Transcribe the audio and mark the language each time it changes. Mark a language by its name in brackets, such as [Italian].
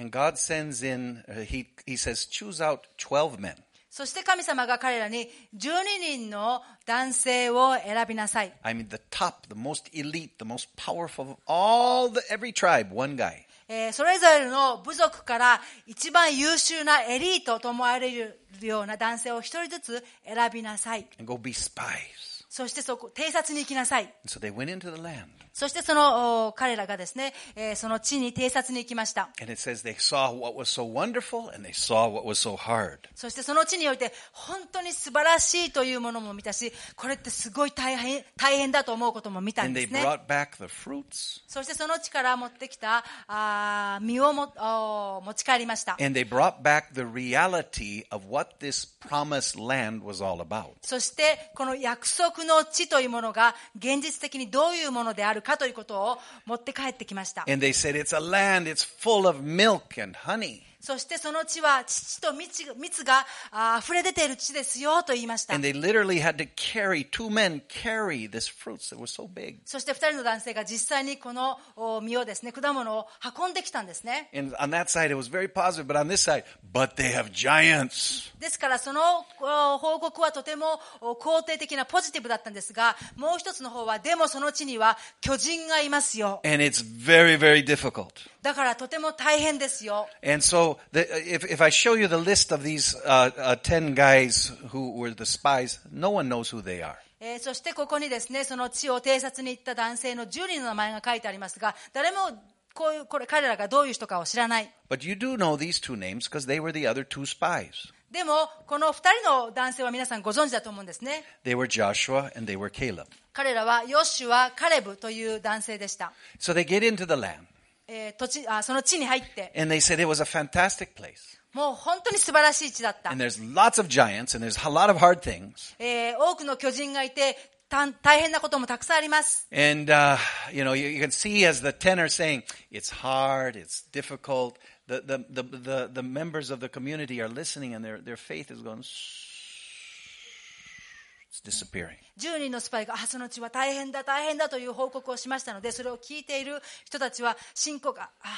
[English] And God sends in, he says, choose out 12 men. [Japanese] そして神様が彼らに12人の男性を選びなさい。 [English] I mean the top, the most elite, the most powerful of all the every tribe, one guy. [Japanese] それぞれの部族から一番優秀なエリートと思われるような男性を一人ずつ選びなさい。 [English] And go be spies. [Japanese] そしてそこ偵察に行きなさい。 [English] So they went into the land. [Japanese] そしてその彼らがですね、その地に偵察に行きました。 [English] And it says they saw what was so wonderful and they saw what was so hard. [Japanese] そしてその地において本当に素晴らしいというものも見たし、これってすごい大変だと思うことも見たんですね。 [English] And they brought back the fruits. [Japanese] そしてその地から持ってきた実を持ち帰りました。 [English] And they brought back the reality of what this promised land was all about. [Japanese] そしてこの約束の地というものが現実的にどういうものであるかということを持って帰ってきました。 [English] And they said, it's a land, it's full of milk and honey. [Japanese] そしてその地は乳と蜜が溢れ出ている地ですよと言いました。 [English] And they literally had to carry, two men carry this fruits that were so big. [Japanese] そして二人の男性が実際にこの実をですね、果物を運んできたんですね。 [English] And on that side, it was very positive, but on this side, but they have giants. [Japanese] ですからその報告はとても肯定的なポジティブだったんですが、もう一つの方は、でもその地には巨人がいますよ。 [English] And it's very, very difficult. [Japanese] だからとても大変ですよ。 [English] And so, if I show you the list of these ten guys who were the spies, no one knows who they are. [Japanese] そしてここにですね、その地を偵察に行った男性の10人の名前が書いてありますが、誰もこういうこれ彼らがどういう人かを知らない。 [English] But you do know these two names because they were the other two spies. [Japanese] でもこの二人の男性は皆さんご存知だと思うんですね。 [English] They were Joshua and they were Caleb. [Japanese] 彼らはヨシュア、カレブという男性でした。 [English] So they get into the land. [Japanese] その地に入って。 [English] And they said it was a fantastic place. [Japanese] もう本当に素晴らしい地だった。 [English] And there's lots of giants and there's a lot of hard things. [Japanese] 多くの巨人がいて大変なこともたくさんあります。 [English] And, you know, you can see as the ten are saying, it's hard, it's difficult. The members of the community are listening and their faith is going it's disappearing. [Japanese] 10人のスパイがその地は大変だ大変だという報告をしましたので、それを聞いている人たちは信仰が